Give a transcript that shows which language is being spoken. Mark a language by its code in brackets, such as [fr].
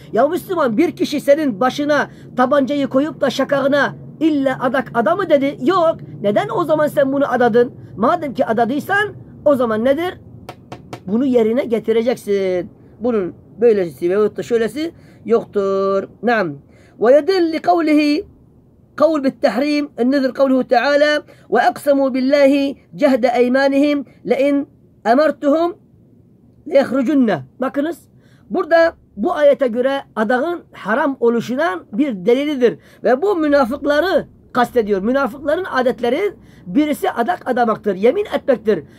[tr] Ya Müslüman, bir kişi senin başına tabancayı koyup da şakağına illa adak ada mı dedi? Yok. Neden o zaman sen bunu adadın? Madem ki adadıysan o zaman nedir? Bunu yerine getireceksin. Bunun böylesi veyahut da şöylesi yoktur. Naam. [ar] Ve yedil li kavlihi قول بالتحريم النذر قوله تعالى وأقسموا بالله جهد أيمانهم لئن أمرتهم ليخرجن. [tr] Bakınız burada bu ayete göre adağın haram oluşundan bir delildir ve bu münafıkları kastediyor. Münafıkların adetleri birisi adak adamaktır, yemin etmektir.